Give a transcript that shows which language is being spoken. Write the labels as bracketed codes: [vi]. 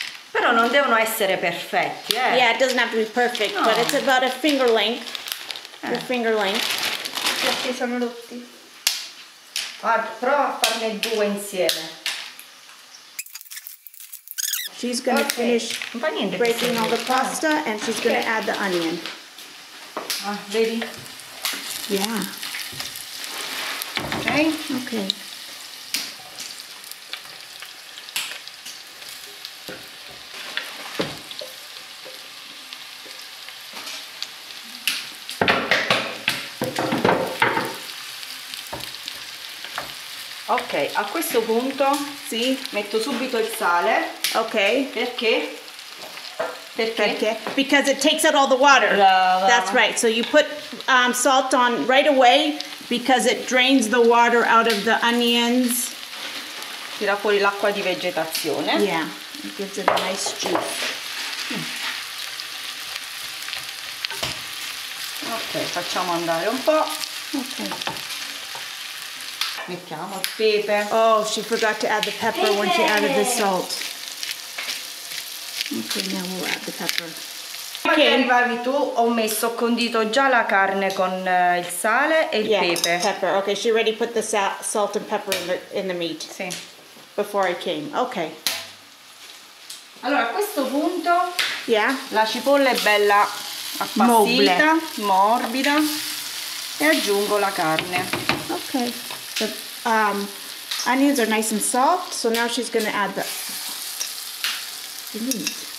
[it] Però non devono essere perfetti, eh? [en] Yeah, it doesn't have to be perfect, no. But it's about a finger length. Your finger length. [it] Perché sono rotti. Guarda, prova a farne due insieme. [en] She's going to finish breaking all the pasta and she's going to add the onion. Ready? Yeah. Okay. Okay. Okay. [it] Ok, a questo punto sì, metto subito il sale. Ok. Perché? Perché? [en] Because it takes out all the water. Brava. That's right. So you put salt on right away because it drains the water out of the onions. [it] Tira fuori l'acqua di vegetazione. [en] Yeah. It gives it a nice juice. [it] Ok, facciamo andare un po'. Ok. Mettiamo il pepe. [en] Oh, she forgot to add the pepper when she added the salt. Ok, now we'll add the pepper. Okay. [it] Prima che arrivavi tu, ho messo, ho condito già la carne con il sale e il pepe. [en] Yeah, pepper. Ok, she already put the salt and pepper in the meat. [it] Sì. [en] Before I came. Ok. [it] Allora, a questo punto, [en] yeah, [it] la cipolla è bella appassita, morbida, e aggiungo la carne. [en] Ok. The onions are nice and soft, so now she's gonna add the meat.